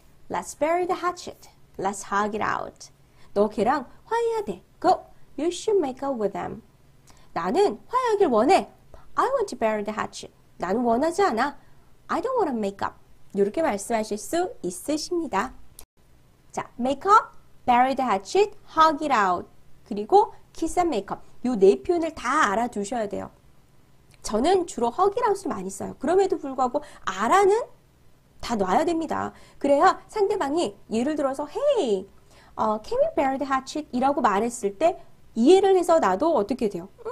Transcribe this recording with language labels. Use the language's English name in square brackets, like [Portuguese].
[English] Let's bury the hatchet. Let's hug it out. [Korean] 너 걔랑 화해해야 돼. [English] Go. You should make up with them. [Korean] 나는 화해하길 원해. [English] I want to bury the hatchet. [Korean] 나는 원하지 않아. [English] I don't want to make up. [Korean] 이렇게 말씀하실 수 있으십니다. [English] 자, make up, bury the hatchet, hug it out. 그리고 kiss and make up. [Korean] 요네 표현을 다 알아두셔야 돼요. 저는 주로 [English] hug it out [Korean] 을 많이 써요. 그럼에도 불구하고 아라는 다 놔야 됩니다. 그래야 상대방이 예를 들어서 [English] hey, can we bury the hatchet? [Korean] 이라고 말했을 때 이해를 해서 나도 어떻게 돼요?